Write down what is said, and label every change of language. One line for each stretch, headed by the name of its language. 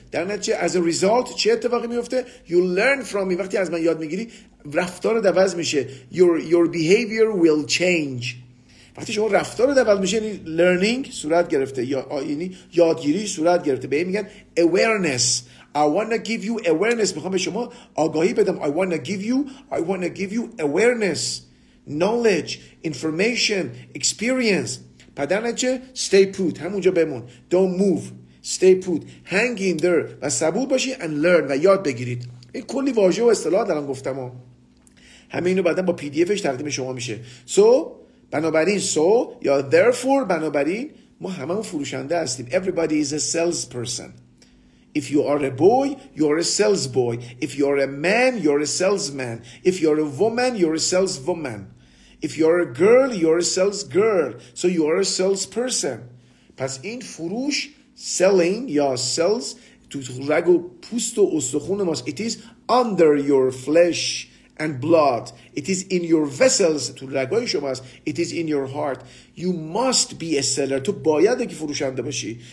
Persian: در نتیجه
English: as a result
Persian: چه اتفاقی میفته؟
English: You learn from me.
Persian: وقتی از من یاد میگیری رفتار دوز میشه.
English: Your behavior will change.
Persian: وقتی شما رفتار دوز میشه یعنی learning صورت گرفته، یا یعنی یادگیری صورت گرفته. به این میگن
English: awareness. I wanna give you awareness.
Persian: میخوام به شما آگاهی بدم.
English: I wanna give you awareness, knowledge, information, experience.
Persian: پدرنچه
English: stay put،
Persian: همونجا بمون،
English: don't move، stay put، hang in there
Persian: و صبور باشی
English: and learn
Persian: و یاد بگیرید. این کلی واژه و اصطلاح دارم گفتم و همه اینو بعدا با پی دی افش تقدیم شما میشه. So بنابراین so یا therefore بنابراین ما همه فروشنده هستیم.
English: Everybody is a sales person. If you are a boy, you are a sales boy. If you are a man, you are a salesman. If you are a woman, you are a saleswoman. If you are a girl, you are a sales girl. So you are a sales person.
Persian: پس این فروش selling یا sales تو رگ و پوست و استخون ماست.
English: It is under your flesh and blood. It is in your vessels
Persian: تو رگای شما است.
English: It is in your heart. You must be a seller.
Persian: تو باید که فروشنده باشی.